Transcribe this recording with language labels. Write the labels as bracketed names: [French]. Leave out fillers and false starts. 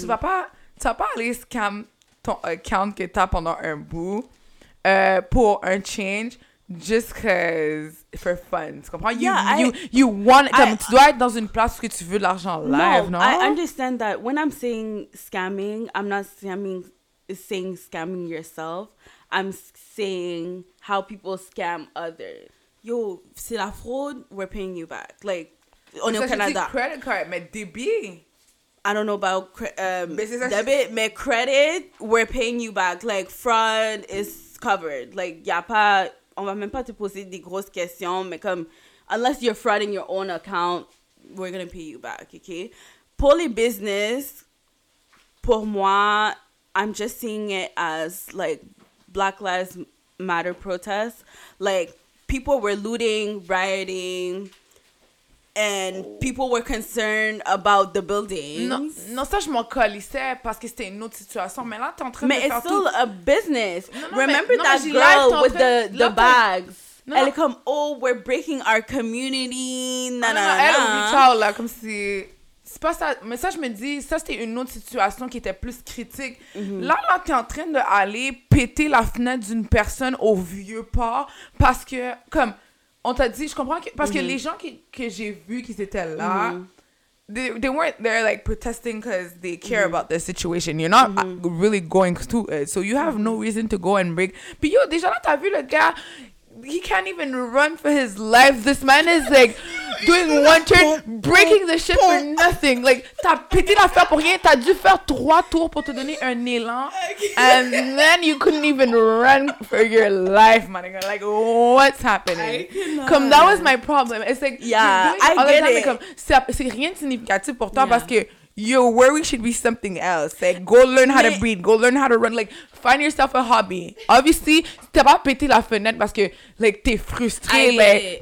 [French] tu vas pas aller scam ton account que t'as pendant un bout pour un change, [English] just cause, for fun, [French] tu comprends? [English] Yeah, you want, [French] comme, tu dois être dans une place où tu veux de l'argent live, non? [English] I understand that when I'm saying scamming, I'm not saying scamming yourself, I'm saying how people scam others. [French] Yo, c'est la fraude, [English] we're paying you back. [French] Like, on est au Canada. C'est credit card, mais débit. [English] I don't know about debit, [French] mais credit, [English] we're paying you back. Like, fraud is covered. [French] Like, y'a pas... On va même pas te poser des grosses questions, mais comme... [English] unless you're frauding your own account, we're going to pay you back, okay? Poly business, [French] pour moi, [English] I'm just seeing it as, like, Black Lives Matter protests. Like, people were looting, rioting, and people were concerned about the buildings. [French] Non, ça, je m'en colissais parce que c'était une autre situation. Mais là, t'es en train mais de faire tout. Mais [English] it's still a business. Remember that girl with the bags? [French] Non, elle est comme, [English] oh, we're breaking our community. [French] Elle, comme si... C'est pas ça. Mais ça, je me dis, ça, c'était une autre situation qui était plus critique. Mm-hmm. Là, là, t'es en train d'aller péter la fenêtre d'une personne au vieux port parce que, comme... On t'a dit, je comprends que... Parce que les gens que j'ai vus qui étaient là, [English] they weren't there, like, protesting because they care about the situation. You're not really going through it. So you have no reason to go and break. [French] Puis yo, déjà là, t'as vu le gars... [English] He can't even run for his life. This man is, like, doing one turn, breaking the shit for nothing. [French] Like, t'as pété l'affaire pour rien. T'as dû faire trois tours pour te donner un élan. [English] And then you couldn't even run for your life, my nigga. Like, what's happening? Comme, that was my problem. It's like, [French] c'est rien de significatif pour toi parce que [English] your worry should be something else. Like, go learn how to breathe. Go learn how to run. Like, find yourself a hobby. [French] Obviously, t'as pas pété la fenêtre parce que, like, t'es frustré.